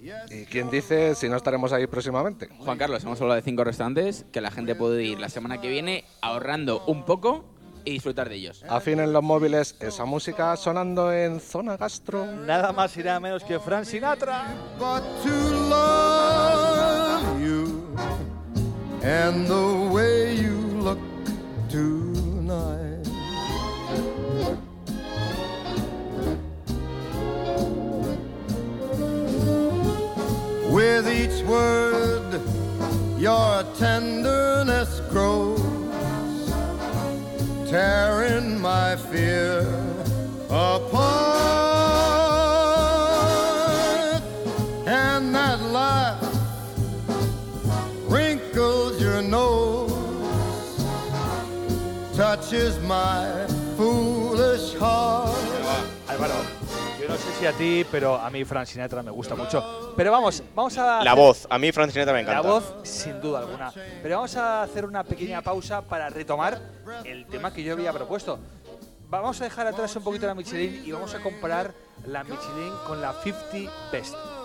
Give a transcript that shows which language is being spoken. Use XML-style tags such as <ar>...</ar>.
<es>¿Y quién dice si no estaremos ahí próximamente? Juan Carlos, hemos hablado de 5 restaurantes que la gente puede ir la semana que viene ahorrando un poco y disfrutar de ellos. Afinen los móviles, esa música sonando en Zona Gastro. Nada más y nada menos que Frank Sinatra.</es> <en>But to love you and the way you look tonight. With each word your tenderness grows, tearing my fear apart, and that laugh wrinkles your nose, touches my foolish heart.</en> <es>Álvaro, yo no sé si a ti, pero a mí Frank Sinatra me gusta mucho. Pero vamos, vamos a... La voz, a mí Frank Sinatra me encanta. La voz, sin duda alguna. Pero vamos a hacer una pequeña pausa para retomar el tema que yo había propuesto. Vamos a dejar atrás un poquito la Michelin y vamos a comparar la Michelin con la 50 Best.</es>